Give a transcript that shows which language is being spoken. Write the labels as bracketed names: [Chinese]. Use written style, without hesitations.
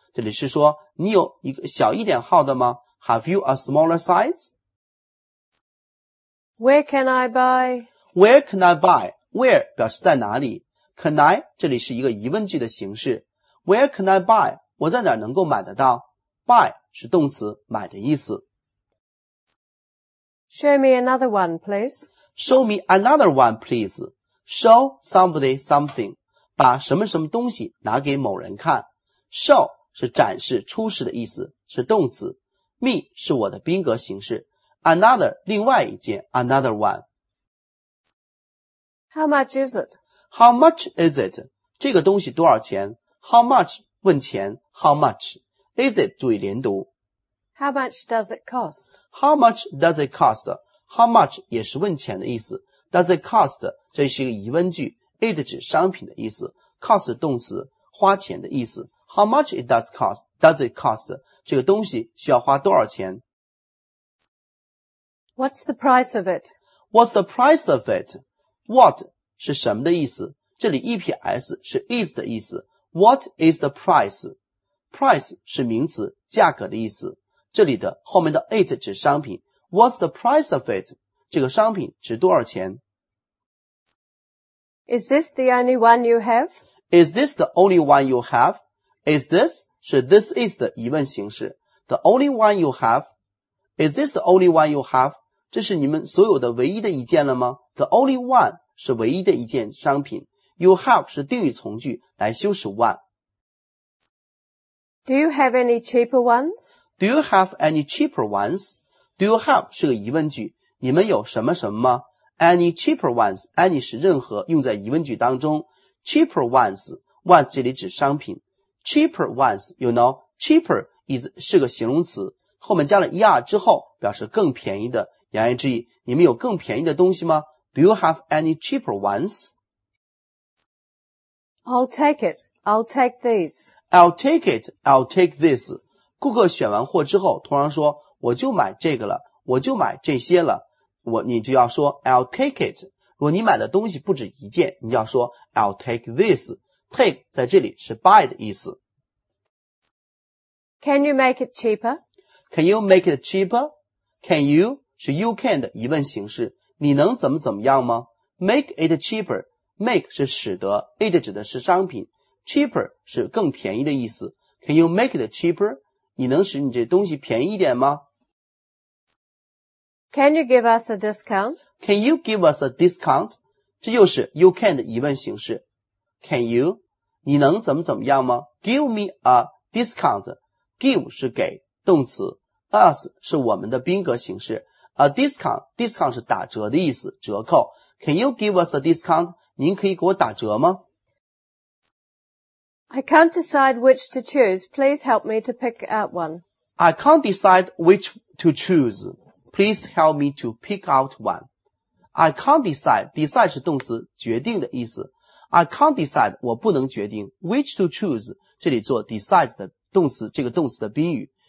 [Chinese] 这里是说你有一个小一点号的吗 ？ [English] Have you a smaller size? Where can I buy? Where can I buy? [Chinese] Where 表示在哪里 ？ [English] Can I [Chinese] 这里是一个疑问句的形式。 [English] Where can I buy? [Chinese] 我在哪能够买得到? Buy 是动词买的意思。 [English] Show me another one, please. Show me another one, please. Show somebody something. [Chinese] 把什么什么东西拿给某人看。Show 是展示出示的意思是动词。 Me 是我的宾格形式。 [English] Another, [Chinese] 另外一件 [English] another one. How much is it? How much is it? [Chinese] 这个东西多少钱? [English] How much? [Chinese] 问钱 [English] How much? Is it? [Chinese] 注意连读 [English] How much does it cost? How much does it cost? How much [Chinese] 也是问钱的意思 [English] Does it cost? [Chinese] 这是一个疑问句 It 指商品的意思 Cost 动词花钱的意思 [English] How much it does cost? Does it cost? [Chinese] 这个东西需要花多少钱 [English] What's the price of it? What's the price of it? [Chinese] What 是什么的意思这里 EPS 是 is 的意思 [English] What is the price? [Chinese] Price 是名词，价格的意思。这里的后面的 it 指商品。 [English] What's the price of it? [Chinese] 这个商品值多少钱 [English] ？Is this the only one you have? Is this the only one you have? Is this [Chinese] 是 this is 的疑问形式。 [English] The only one you have? Is this the only one you have? [Chinese] 这是你们所有的唯一的一件了吗 ？The only one 是唯一的一件商品。 You have 是定语从句来修饰 one. [English] Do you have any cheaper ones? Do you have any cheaper ones? Do you have [Chinese] 是个疑问句，你们有什么什么吗 ？ [English] Any cheaper ones? [Chinese] Any 是任何用在疑问句当中。 [English] Cheaper ones, ones [Chinese] 这里指商品。 [English] Cheaper ones, you know, cheaper is [Chinese] 是个形容词，后面加了 er 之后表示更便宜的。言而之意，你们有更便宜的东西吗 ？ [English] Do you have any cheaper ones? I'll take it. I'll take these. I'll take it. I'll take this. [Chinese] 顾客选完货之后，通常说我就买这个了，我就买这些了。你就要说 [English] I'll take it. [Chinese] 如果你买的东西不止一件，你要说 [English] I'll take this. [Chinese] Take 在这里是 buy 的意思。 [English] Can you make it cheaper? Can you make it cheaper? [Chinese] Can you 是 you can 的疑问形式。你能怎么怎么样吗 ？ [English] Make it cheaper. [Chinese] Make 是使得 ，it 指的是商品 ，cheaper 是更便宜的意思。 [English] Can you make it cheaper? [Chinese] 你能使你这东西便宜一点吗？ [English] Can you give us a discount? Can you give us a discount? [Chinese] 这又是 you can 的疑问形式。 [English] Can you? [Chinese] 你能怎么怎么样吗？ [English] Give me a discount. [Chinese] Give 是给动词， us 是我们的宾格形式。 A discount, discount 是打折的意思，折扣。 [English] Can you give us a discount? [Chinese] 您可以给我打折吗？ [English] I can't decide which to choose. Please help me to pick out one. I can't decide which to choose. Please help me to pick out one. I can't decide. [Chinese] Decide 是动词，决定的意思。 [English] I can't decide. [Chinese] 我不能决定。 [English] Which to choose? [Chinese] 这里做 decide 的动词，这个动词的宾语。